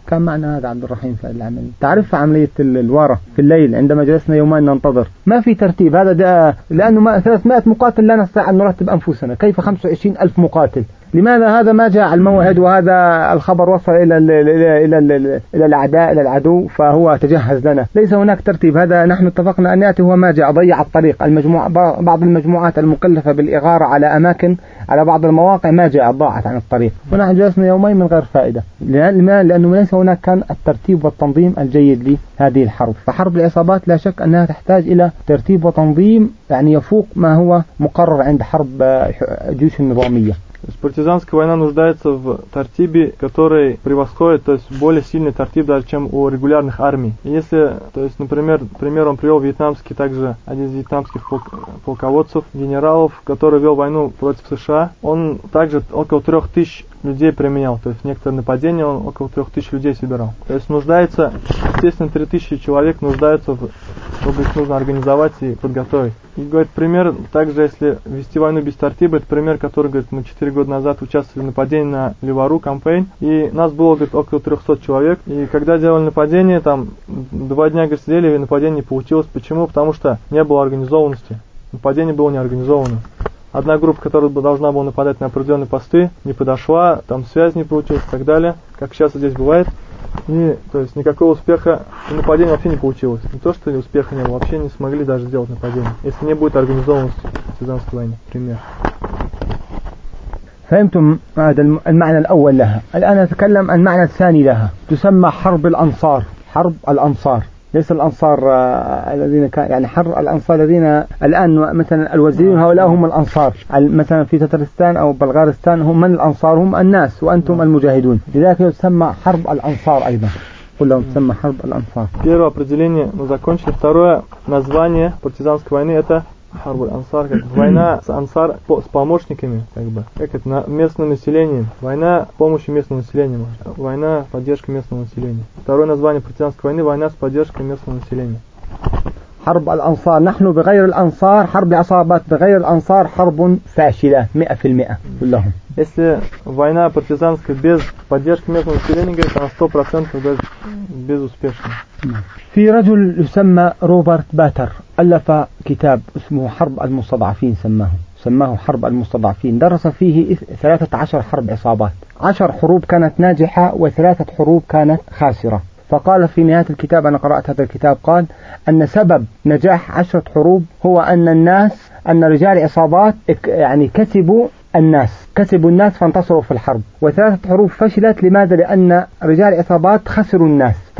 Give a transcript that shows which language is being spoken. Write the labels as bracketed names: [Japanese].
[Arabic] كان معنا هذا عبد الرحيم في العملية، تعرف عملية الوارة في الليل عندما جلسنا يومين ننتظر ما في ترتيب، هذا لأنه ما 300 مقاتل لا نستطيع أن نرتب أنفسنا، كيف 25,000 مقاتل؟ لماذا هذا ما جاء الموعد وهذا الخبر وصل إلى الـ الـ الـ الـ الـ الـ الـ الأعداء إلى العدو فهو تجهز لنا؟ ليس هناك ترتيب، هذا نحن اتفقنا أن يأتي هو ما جاء، ضيع الطريق المجموعة، بعض المجموعات المكلفة بالإغارة على أماكن على بعض المواقع ما جاء، ضاعت عن الطريق ونحن جلسنا يومين من غير فائدة. لماذا؟ لأنه ليس هناك كان الترتيب والتنظيم الجيد لهذه الحرب. فحرب العصابات لا شك أنها تحتاج إلى ترتيب وتنظيم يعني يفوق ما هو مقرر عند حرب جيوش النظامية. [Russian] То есть партизанская война нуждается в тартибе, который превосходит, то есть более сильный тартиб даже, чем у регулярных армий. И если, то есть, например, пример он привел вьетнамский, также один из вьетнамских полководцев, генералов, который вел войну против США, он также около 3000 людей применял, то есть некоторые нападения он около 3000 людей собирал. То есть нуждается, естественно, 3000 человек нуждаются, чтобы их нужно организовать и подготовить. И говорит, пример, также если вести войну без тартиба, это пример, который, говорит, мы 4 года назад участвовали в нападении на Левару, кампейн, и нас было, говорит, около 300 человек, и когда делали нападение, там 2 дня, говорит, сидели, и нападение не получилось. Почему? Потому что не было организованности, нападение было неорганизовано. Одна группа, которая должна была нападать на определенные посты, не подошла, там связь не получилась и так далее, как сейчас здесь бывает. И, то есть, никакого успеха, нападение вообще не получилось. Не то, что успеха не было, вообще не смогли даже сделать нападение, если не будет организованности партизанской войны. Пример. [Arabic] فهمتم هذا المعنى الأول لها. الآن أتكلم المعنى الثاني لها. تسمى حرب الأنصار. حرب الأنصار. ليس الأنصار الذين كان يعني حر الأنصار الذين الآن مثلا الوزيرين هؤلاء هم الأنصار مثلا في تترستان أو بلغارستان هم من الأنصار هم الناس وأنتم المجاهدون لذلك يسمى حرب الأنصار أيضا قلنا يسمى حرب الأنصار. [Russian] Первое определение мы закончили. Второе название партизанской войны это [Arabic] حرب الأنصار [Russian] как война с ансар с помощниками как бы как это на местное население война с помощью местного населения можно война с поддержкой местного населения второе название партизанской войны война с поддержкой местного населения [Arabic] حرب الأنصار نحن بغير الأنصار حرب عصابات بغير الأنصار حرب فاشلة 100% كلهم [Russian] если война партизанская без поддержки местного населения говорит она 100% безуспешна [Arabic] في رجل يسمى روبرت باتر ألف كتاب اسمه حرب المستضعفين سماه حرب المستضعفين درس فيه 13 حرب عصابات 10 حروب كانت ناجحة وثلاثة حروب كانت خاسرة فقال في نهاية الكتاب أنا قرأت هذا الكتاب قال أن سبب نجاح 10 حروب هو أن الناس أن رجال عصابات يعني كسبوا الناس فانتصروا في الحرب وثلاثة حروب فشلت لماذا لأن رجال عصابات خسروا الناس